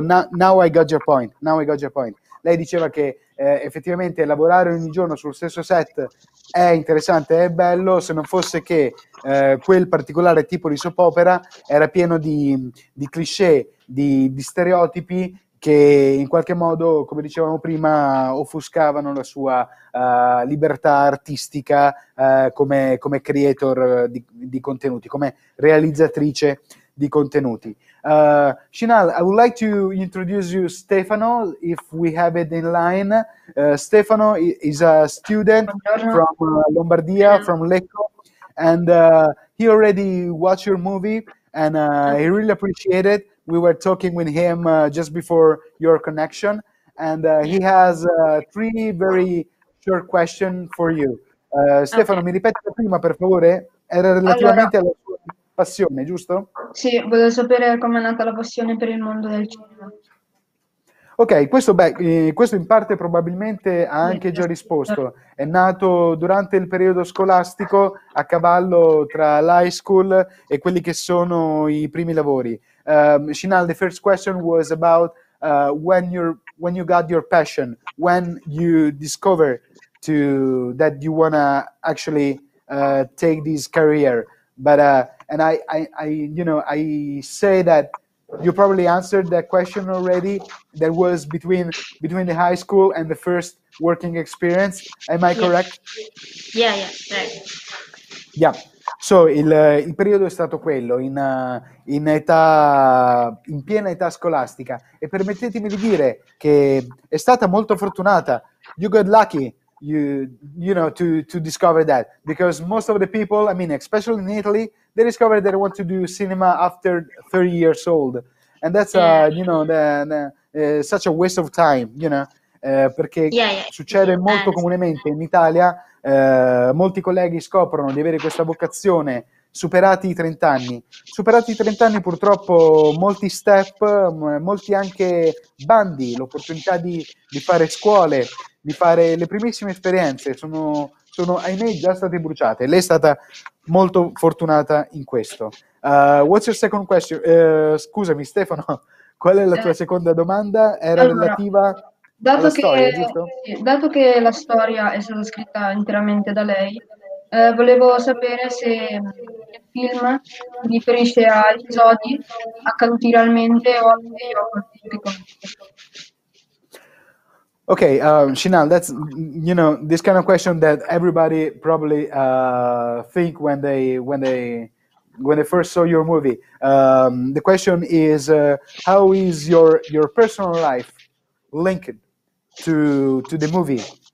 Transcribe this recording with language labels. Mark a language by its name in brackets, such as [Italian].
[English] Now I got your point. [Italian] Now I got your point. Lei diceva che effettivamente lavorare ogni giorno sullo stesso set è interessante, è bello, se non fosse che quel particolare tipo di soap opera era pieno di cliché, di stereotipi, che in qualche modo, come dicevamo prima, offuscavano la sua libertà artistica come creator di contenuti, come realizzatrice di contenuti. [English] Shinal, I would like to introduce you Stefano, if we have it in line. Stefano is a student from [Italian] Buongiorno. [English] Lombardia, from Lecco, and he already watched your movie, and he really appreciated it. We were talking with him just before your connection, and he has three very short questions for you. [Italian] Stefano, mi ripeti la prima, per favore? Era Allora, relativamente alla sua passione, giusto? sì, voglio sapere com'è nata la passione per il mondo del cinema. Ok, questo in parte probabilmente ha anche già risposto. È nato durante il periodo scolastico, a cavallo tra l'high school e quelli che sono i primi lavori. [English] Shinal, the first question was about when you got your passion, when you discover to that you wanna actually take this career. But and I I say that you probably answered that question already. That was between the high school and the first working experience. Am I correct? Yeah. [Italian] So il periodo è stato quello, in piena età scolastica. E permettetemi di dire che è stata molto fortunata. [English] You got lucky, to discover that. Because most of the people, I mean, especially in Italy, they discover they want to do cinema after 30 years old. And that's such a waste of time, [Italian] perché succede molto comunemente in Italia. Molti colleghi scoprono di avere questa vocazione superati i 30 anni. Superati i 30 anni, purtroppo, molti step, molti anche bandi, l'opportunità di fare scuole, di fare le primissime esperienze, sono ahimè già state bruciate. Lei è stata molto fortunata in questo. [English] What's your second question? [Italian] Scusami, Stefano, qual è la tua seconda domanda? Era Allora, relativa. alla storia, Dato giusto? che la storia è stata scritta interamente da lei, volevo sapere se il film riferisce a episodi accaduti realmente o a qualcosa che conosce. [English] Okay, Chanel, that's, you know, this kind of question that everybody probably think when they first saw your movie. The question is, how is your personal life linked to the movie?